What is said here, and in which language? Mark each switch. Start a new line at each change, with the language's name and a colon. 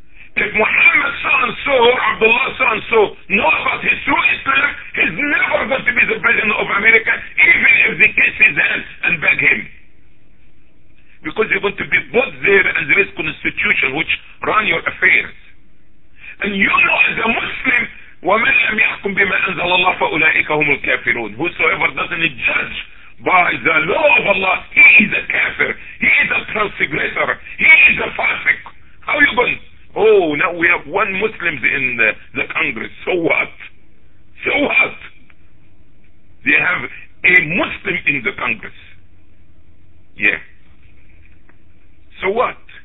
English: If Muhammad so-and-so or Abdullah so-and-so know about his true Islam, he's never going to be the president of America, even if they kiss his hand and beg him. Because you're going to be both there, and there is constitution which run your affairs. And you know, as a Muslim,
Arabic: وَمَنْ لَمْ يَحْكُمْ بِمَا أَنْزَلَ اللَّهُ فَأُولَٰئِكَ هُمُ الْكَافِرُونَ.
English: Whosoever doesn't judge by the law of Allah, he is a kafir, he is a transgressor, he is a fasik. How are you going? Oh, now we have one Muslim in the Congress. So what? So what? They have a Muslim in the Congress. Yeah. So what?